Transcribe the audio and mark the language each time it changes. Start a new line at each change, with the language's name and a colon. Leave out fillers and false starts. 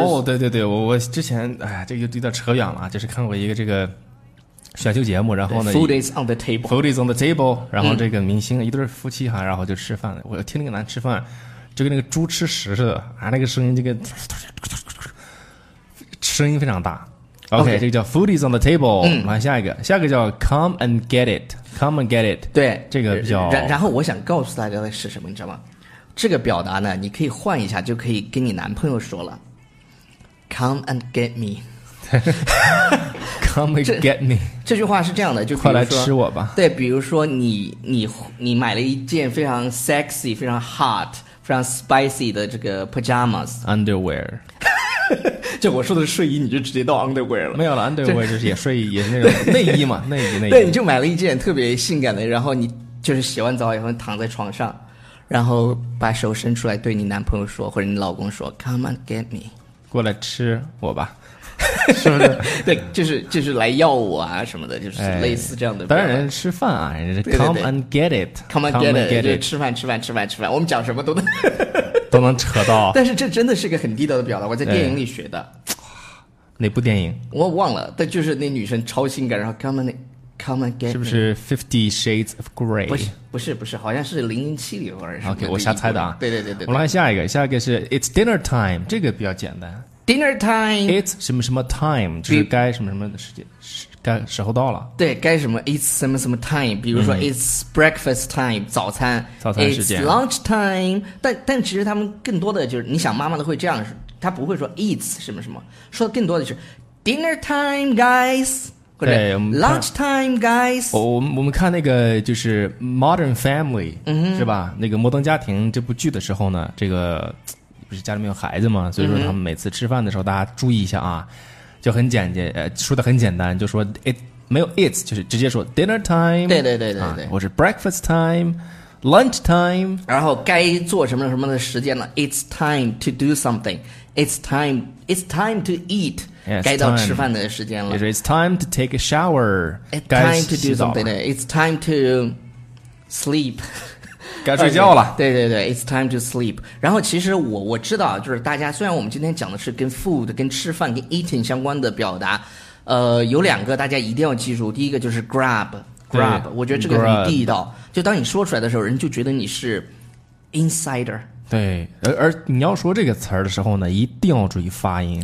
Chinese: 哦对对对我之前哎呀这个有点扯远了就是看过一个这个选秀节目然后呢
English: Food is on the table Food is on the table
Chinese: 然后这个明星一对夫妻哈然后就吃饭我听那个男吃饭就跟那个猪吃食似的啊那个声音这个声音非常大
English: okay, OK
Chinese: 这个叫
English: Food is on the table
Chinese: 来下一个下一个叫
English: Come and get it Come and get it
Chinese: 对这个比较然后我想告诉大家的是什么你知道吗这个表达呢你可以换一下就可以跟你男朋友说了
English: Come and get me Come and get me
Chinese: 这句话是这样的就快来吃我吧对比如说你买了一件非常 sexy 非常 hot 非常 spicy 的这个 pajamas
English: underwear
Chinese: 就我说的睡衣你就直接到 underwear 了没有了 underwear 就是也睡衣也是那种内衣嘛内衣内衣对你就买了一件特别性感的然后你就是洗完澡以后躺在床上然后把手伸出来对你男朋友说或者你老公说
English: Come and get me
Chinese: 过来吃我吧是不是对就是来要我啊什么的就是类似这样的、哎、当然吃饭啊人家
English: come and get it come and get it
Chinese: 就是吃饭我们讲什么都能都能扯到但是这真的是个很地道的表达我在电影里学的哪部电影我忘了但就是那女生超性感然后
English: come and get it
Chinese: 是不是 Fifty Shades of Grey 不是好像是007里或者什么 OK 我瞎猜的啊对我们来下一个下一个是
English: It's dinner time
Chinese: 这个比较简单
English: Dinner time.
Chinese: It's 什么什么 time 就是该什么什么的时间该时候到了对该什么 It's 什么什么 time 比如说
English: It's breakfast time
Chinese: 早餐早餐时间
English: It's lunch time
Chinese: 但其实他们更多的就是你想妈妈的会这样他不会说 It's 什么什么说的更多的就是
English: Dinner time guys
Chinese: 或者
English: Lunch time guys。
Chinese: 我们看那个就是 Modern Family、嗯、是吧，那个摩登家庭这部剧的时候呢，这个不是家里面有孩子嘛，所以说他们每次吃饭的时候、嗯、大家注意一下啊，就很简洁、说的很简单，就说 it 没有 it's 就是直接说
English: dinner time，
Chinese: 对对对对对、啊、或是
English: breakfast timeLunch time，
Chinese: 然后该做什么什么的时间了。
English: It's time to do something. It's time to eat. Yeah, it's
Chinese: 该到吃饭的时间了。
English: It's time to take a shower. It's time to do something. It's time to sleep.
Chinese: 该睡觉了。对对对
English: ，It's time to sleep.
Chinese: 然后其实我知道，就是大家虽然我们今天讲的是跟 food、跟吃饭、跟 eating 相关的表达，有两个大家一定要记住。第一个就是 grab。 Grab， 我觉得这个很地道。
English: Grab,
Chinese: 就当你说出来的时候，人就觉得你是 insider。对，而你要说这个词儿的时候呢，一定要注意发音。